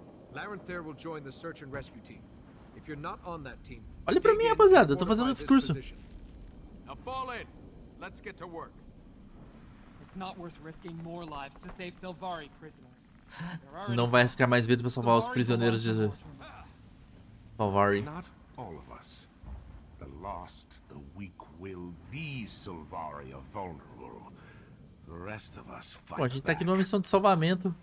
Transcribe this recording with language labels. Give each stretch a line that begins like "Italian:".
English: Larenthyr will join the search and rescue team. If you're not on that team,
Portuguese: olha pra mim, rapaziada, eu tô fazendo um discurso.
English: Now fall in. Let's get to work. It's not worth risking more lives to save Silvari prisoners.
Portuguese: Não vai arriscar mais vidas pra salvar os prisioneiros de Silvari.
English: Not all of us. The lost, the weak will, these Silvari are vulnerable.
Portuguese: Pô, a gente tá aqui numa missão de salvamento.